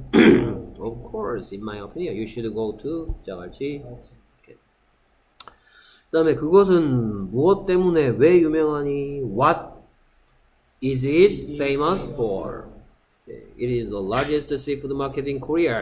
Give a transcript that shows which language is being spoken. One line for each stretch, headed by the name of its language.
English: Of course, in my opinion, you should go to 자갈치. Okay.
Korean: 그다음에 그것은 무엇 때문에 왜 유명하니?
English: What is it famous for? It is the largest seafood market in Korea.